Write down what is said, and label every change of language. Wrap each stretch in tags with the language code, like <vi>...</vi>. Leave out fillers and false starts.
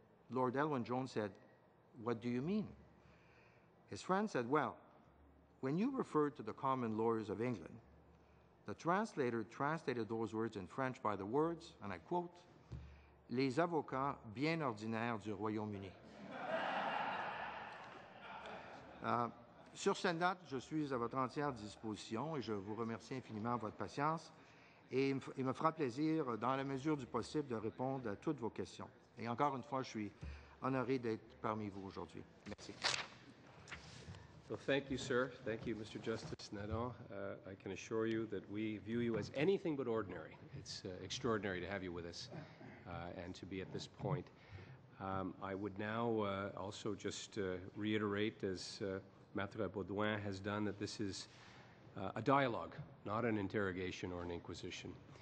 <en>Lord Elwin Jones said, "What do you mean?" His friend said, "Well, when you referred to the common lawyers of England, the translator translated those words in French by the words, and I quote,</en> <fr>'les avocats bien ordinaires du Royaume-Uni.'" Sur cette note, je suis à votre entière disposition et je vous remercie infiniment de votre patience. Et il me fera plaisir, dans la mesure du possible, de répondre à toutes vos questions. Et encore une fois, je suis honoré d'être parmi vous aujourd'hui. Merci.</fr> <en>Well, thank you, sir. Thank you, Mr. Justice Nadon. I can assure you that we view you as anything but ordinary. It's extraordinary to have you with us and to be at this point. I would now also just reiterate, as Maître Baudouin has done, that this is a dialogue, not an interrogation or an inquisition.</en>